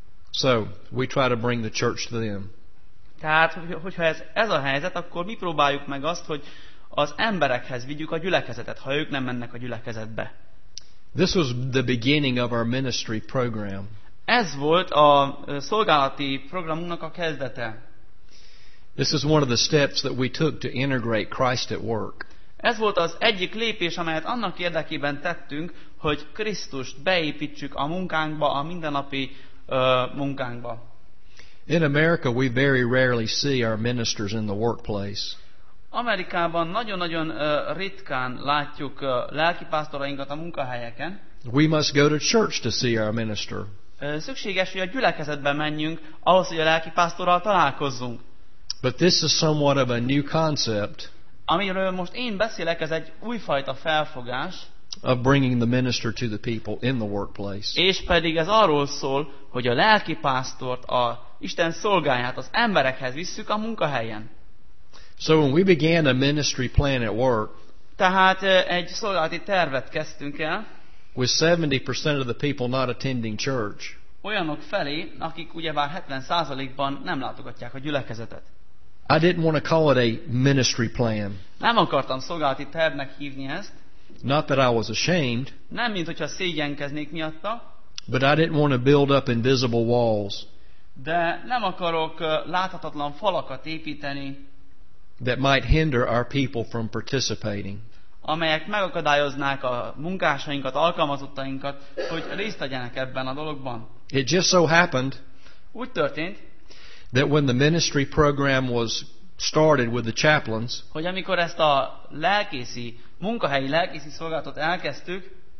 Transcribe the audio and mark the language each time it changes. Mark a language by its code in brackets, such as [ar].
[en] So, we try to bring the church to them. [hu] Tehát, hogyha ez a helyzet, akkor mi próbáljuk meg azt, hogy az emberekhez vigyük a gyülekezetet, ha ők nem mennek a gyülekezetbe. [en] This was the beginning of our ministry program. [hu] Ez volt a szolgálati programunknak a kezdete. [en] This is one of the steps that we took to integrate Christ at work. [hu] Ez volt az egyik lépés, amelyet annak érdekében tettünk, hogy Krisztust beépítsük a munkánkba, a mindennapi munkánkba. [en] In America, we very rarely see our ministers in the workplace. [hu] Amerikában nagyon-nagyon ritkán látjuk lelkipásztorainkat a munkahelyeken. [en] We must go to church to see our minister. [hu] Szükséges, hogy a gyülekezetbe menjünk, ahhoz, hogy a lelkipásztorral találkozzunk. [en] But this is somewhat of a new concept. [hu] Amiről most én beszélek, ez egy újfajta felfogás. [en] Of bringing the minister to the people in the workplace. [hu] És pedig ez arról szól, hogy a lelkipásztort, a Isten szolgáját az emberekhez visszük a munkahelyen. [en] So when we began a ministry plan at work, [hu] tehát egy szolgálati tervet kezdtünk el, [en] with 70% of the people not attending church, [hu] olyanok felé, akik ugyebár 70%-ban nem látogatják a gyülekezetet. [en] I didn't want to call it a ministry plan. [hu] Nem akartam szolgálati tervnek hívni ezt. [en] Not that I was ashamed. [hu] Nem, mintha szégyenkeznék miatta. [en] But I didn't want to build up invisible walls. [hu] De nem akarok láthatatlan falakat építeni. [en] That might hinder our people from participating. [hu] Amelyek megakadályoznák a munkásainkat, alkalmazottainkat, hogy részt vegyenek ebben a dologban. [en] It just so happened. [hu] Úgy történt. [en] That when the ministry program was started with the chaplains. [hu] Hogy amikor ezt a lelkészi, munkahelyi lelkészi szolgálatot elkezdtük.